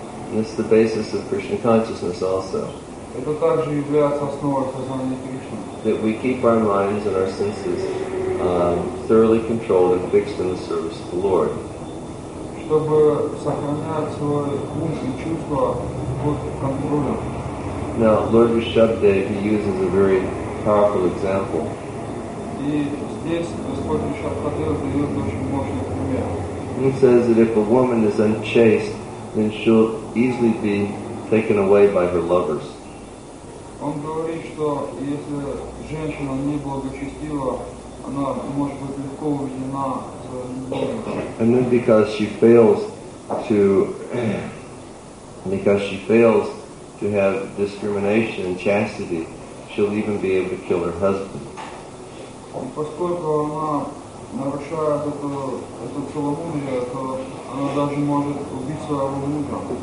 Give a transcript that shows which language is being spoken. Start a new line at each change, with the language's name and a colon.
English: And it's the basis of Krishna consciousness also.
Russian: Это также является основой сознания Кришны.
English: That we keep our minds and our senses thoroughly controlled and fixed in the service of the Lord.
Russian: Чтобы сохранять свой ум и чувства под контролем.
English: Now, Lord Rishabhdev, he uses a very powerful example.
Russian: И здесь Господь Рishabhdev дает очень мощный пример.
English: He says that if a woman is unchaste, then she'll easily be taken away by her lovers.
Russian: Он говорит, что если женщина неблагочестива, она может быть легко увлечена своим любовником.
English: And then because she fails to have discrimination and chastity, she'll even be able to kill her husband.
Russian: И поскольку она нарушает это целомудрие, то она даже может убить своего мужа.